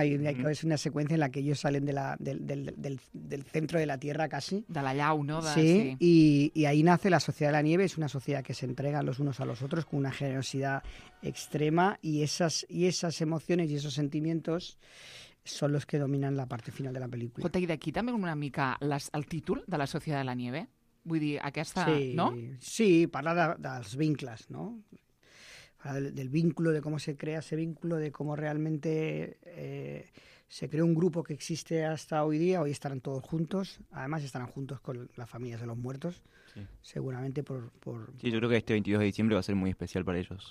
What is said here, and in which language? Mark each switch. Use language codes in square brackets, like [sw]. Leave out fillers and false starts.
[es] Es una secuencia en la que ellos salen de del centro de la Tierra casi. De la llau, ¿no? Sí, y ahí nace la Sociedad de la Nieve. Es una sociedad que se entrega los unos a los otros con una generosidad extrema y esas emociones y esos sentimientos son los que dominan la parte final de la película. [ca] Jota, i d'aquí també una mica el títol de la Sociedad de la Nieve. Vull dir, aquesta, sí, no? Sí, parla dels vincles, ¿no? [es] Del vínculo, de cómo se crea ese vínculo, de cómo realmente se crea un grupo que existe hasta hoy día. Hoy estarán todos juntos. Además, estarán juntos con las familias de los muertos, sí. Seguramente por... Sí, yo creo que este 22 de diciembre va a ser muy especial para ellos.